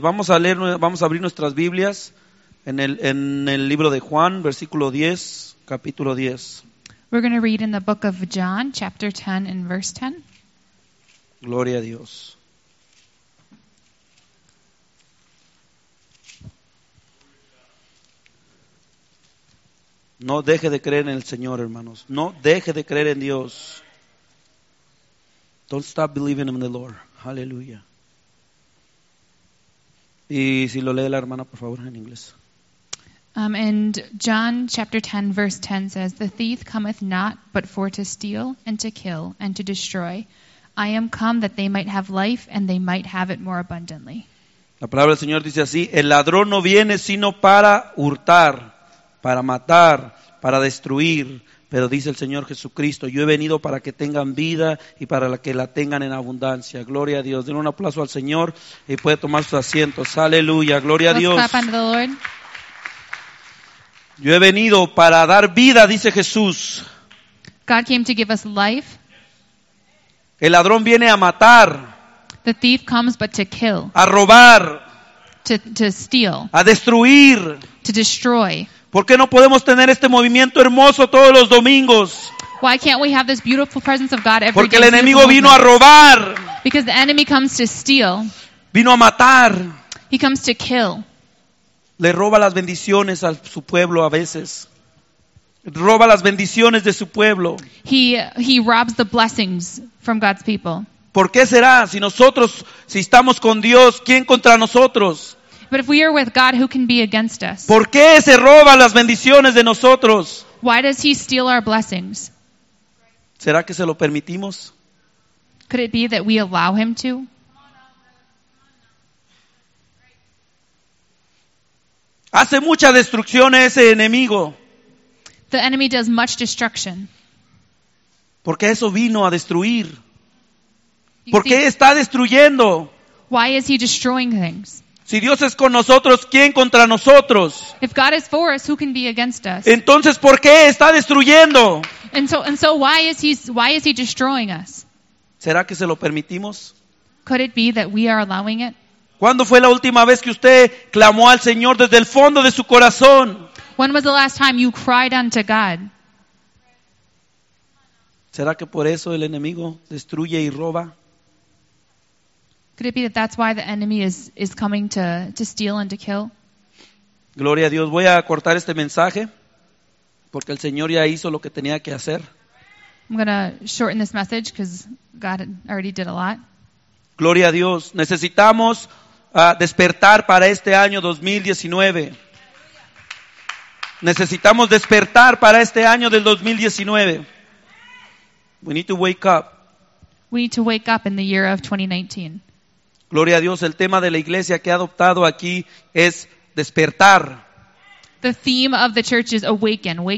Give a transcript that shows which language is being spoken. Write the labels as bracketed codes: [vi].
[es] Vamos a leer, vamos a abrir nuestras Biblias en el libro de Juan, versículo 10, capítulo 10. [en] We're going to read in the book of John, chapter 10 and verse 10. [es] Gloria a Dios. No deje de creer en el Señor, hermanos. No deje de creer en Dios. [en] Don't stop believing in the Lord. Hallelujah. [es] Y si lo lee la hermana, por favor, en inglés. [en] And John chapter 10, verse 10 says, "The thief cometh not but for to steal and to kill and to destroy. I am come that they might have life and they might have it more abundantly." [es] La palabra del Señor dice así: el ladrón no viene sino para hurtar, para matar, para destruir. Pero dice el Señor Jesucristo: yo he venido para que tengan vida y para que la tengan en abundancia. Gloria a Dios. Denle un aplauso al Señor y puede tomar sus asientos. Aleluya. Gloria a Dios. [en] Let's clap unto the Lord. [es] Yo he venido para dar vida, dice Jesús. [en] God came to give us life. [es] El ladrón viene a matar. [en] The thief comes but to kill. [es] A robar. [en] To steal. [es] A destruir. [en] To destroy. [es] ¿Por qué no podemos tener este movimiento hermoso todos los domingos? [en] Why can't we have this beautiful presence of God every [es] Porque Porque el enemigo vino a robar. [en] Because the enemy comes to steal. [es] Vino a matar. [en] He comes to kill. [es] Le roba las bendiciones a su pueblo a veces. Roba las bendiciones de su pueblo. [en] He robs the blessings from God's people. [es] ¿Por qué será? Si nosotros, si estamos con Dios, ¿quién contra nosotros? [en] But if we are with God, who can be against us? [es] ¿Por qué se roba las bendiciones de nosotros? [en] Why does he steal our blessings? [es] ¿Será que se lo permitimos? [en] Could it be that we allow him to? [es] Hace mucha destrucción a ese enemigo. [en] The enemy does much destruction. [es] Porque eso vino a destruir. ¿Por qué está destruyendo? [en] Why is he destroying things? [es] Si Dios es con nosotros, ¿quién contra nosotros? [en] If God is for us, who can be against us? [es] Entonces, ¿por qué está destruyendo? [en] And so why is he destroying us? [es] ¿Será que se lo permitimos? [en] Could it be that we are allowing it? [es] ¿Cuándo fue la última vez que usted clamó al Señor desde el fondo de su corazón? [en] When was the last time you cried unto God? [es] ¿Será que por eso el enemigo destruye y roba? [en] Could it be that that's why the enemy is coming to steal and to kill? [es] Gloria a Dios. Voy a cortar este mensaje porque el Señor ya hizo lo que tenía que hacer. [en] I'm going to shorten this message because God already did a lot. [es] Gloria a Dios. Necesitamos despertar para este año 2019. Necesitamos despertar para este año del 2019. [en] We need to wake up. We need to wake up in the year of 2019. [es] Gloria a Dios, el tema de la iglesia que ha adoptado aquí es despertar. [en] The theme of the church is awaken, wake